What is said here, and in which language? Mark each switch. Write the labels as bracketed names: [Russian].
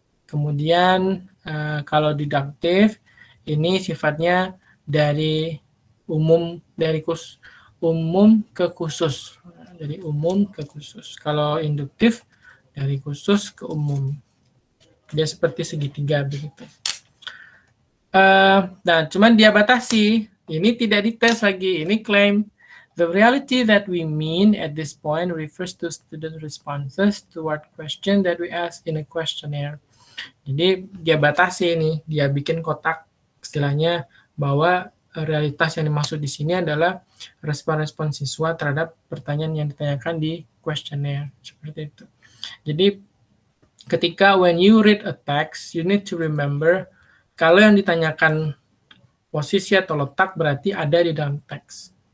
[Indonesian] Kemudian kalau deduktif, ini sifatnya dari umum, dari umum ke khusus. Dari umum ke khusus. Kalau induktif, dari khusus ke umum. Dia seperti segitiga begitu. Nah, cuman dia batasi. Ini tidak dites lagi, ini claim. [English] The reality that we mean at this point refers to student responses toward question that we ask in a questionnaire. [Indonesian] Jadi dia batasi ini, dia bikin kotak istilahnya bahwa realitas yang dimaksud di sini adalah respon-respon siswa terhadap pertanyaan yang ditanyakan di questionnaire seperti itu. Jadi ketika [English] when you read a text, you need to remember [Indonesian] kalau yang ditanyakan posisi atau letak berarti ada di dalam teks.